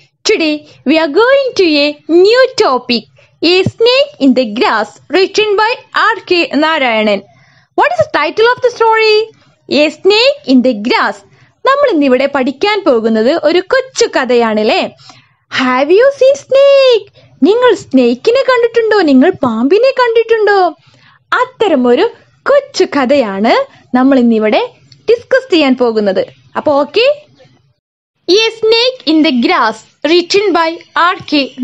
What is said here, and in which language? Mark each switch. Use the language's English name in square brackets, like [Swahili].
[English] Today, we are going to a new topic. A Snake in the Grass, written by R.K. Narayan. What is the title of the story? A Snake in the Grass. [Malayalam] നമ്മളിന്നിവിടെ പഠിക്കാൻ പോകുന്നത് ഒരു കൊച്ചു കഥയാണല്ലേ. [English] Have you seen snake? [Malayalam] നിങ്ങൾ സ്നേക്കിനെ കണ്ടിട്ടുണ്ടോ? നിങ്ങൾ പാമ്പിനെ കണ്ടിട്ടുണ്ടോ? അത്തരമൊരു കൊച്ചു കഥയാണ് നമ്മൾ ഇന്നിവിടെ ഡിസ്കസ് ചെയ്യാൻ പോകുന്നത്. അപ്പോ okay. [English] A Snake in the Grass, written by R.K.